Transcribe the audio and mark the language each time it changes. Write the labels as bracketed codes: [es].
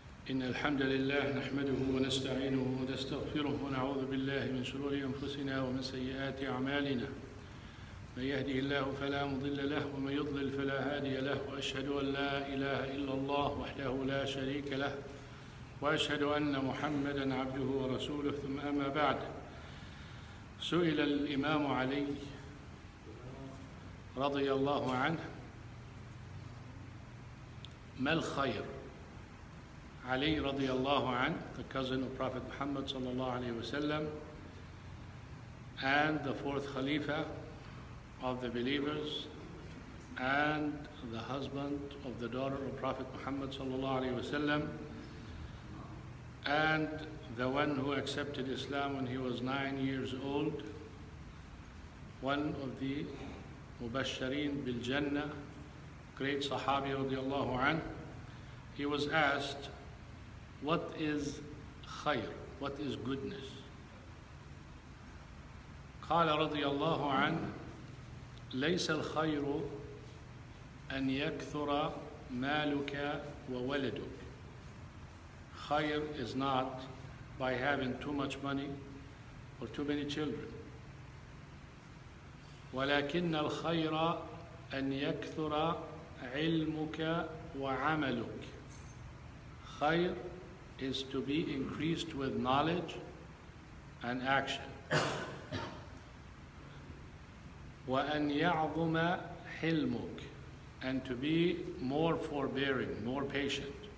[ar] إن الحمد لله نحمده ونستعينه ونستغفره ونعوذ بالله من شرور أنفسنا ومن سيئات أعمالنا، من يهده الله فلا مضل له ومن يضلل فلا هادي له، وأشهد أن لا إله إلا الله وحده لا شريك له، وأشهد أن محمدًا عبده ورسوله. ثم أما بعد، سئل الإمام علي رضي الله عنه: ما الخير؟ علي رضي الله عنه, [en] the cousin of Prophet Muhammad sallallahu alayhi wasallam, and the fourth Khalifa of the believers, and the husband of the daughter of Prophet Muhammad sallallahu alayhi wasallam, and the one who accepted Islam when he was 9 years old, one of the Mubashshareen bil Jannah, great Sahabi رضي الله عنه. He was asked, what is khayr? What is goodness? [ar] قال رضي الله عنه: ليس الخير أن يكثر مالك وولدك. [en] Khayr is not by having too much money or too many children. [ar] ولكن الخير أن يكثر علمك وعملك. [en] Khayr is to be increased with knowledge and action. [ar] وَأَنْ يَعْظُمَ حِلْمُكَ, [en] and to be more forbearing, more patient.